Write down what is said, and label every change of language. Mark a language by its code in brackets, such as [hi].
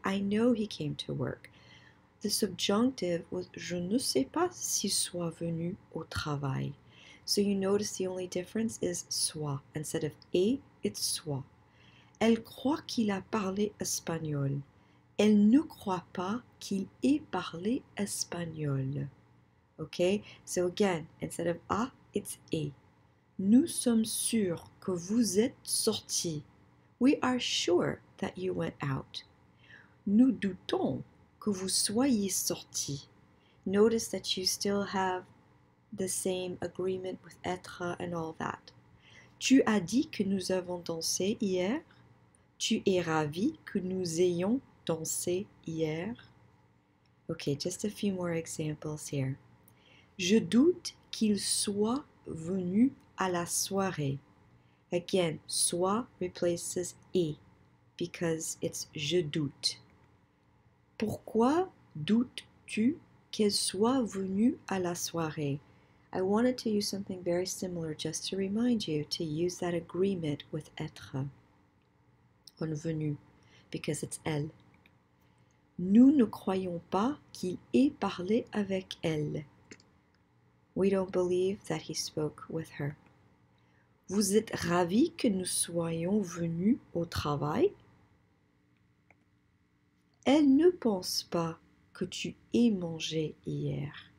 [en] I know he came to work. The subjunctive was [fr] je ne sais pas s'il soit venu au travail. [en] So, you notice the only difference is soit. Instead of est, it's soit. [fr] Elle croit qu'il a parlé espagnol. Elle ne croit pas qu'il ait parlé espagnol. [en] Okay, so again, instead of a, it's e. [fr] Nous sommes sûrs que vous êtes sortis. [en] We are sure that you went out. [fr] Nous doutons que vous soyez sortis. [en] Notice that you still have the same agreement with être and all that. [fr] Tu as dit que nous avons dansé hier. Tu es ravi que nous ayons dansé hier. [en] Okay, just a few more examples here. [fr] Je doute qu'il soit venu à la soirée. [en] Again, soit replaces et because it's [fr] je doute. Pourquoi doutes-tu qu'elle soit venue à la soirée? [en] I wanted to use something very similar just to remind you to use that agreement with être. On venu because it's elle. [fr] Nous ne croyons pas qu'il ait parlé avec elle. [en] We don't believe that he spoke with her. [fr] Vous êtes ravi que nous soyons venus au travail? Elle ne pense pas que tu aies mangé hier.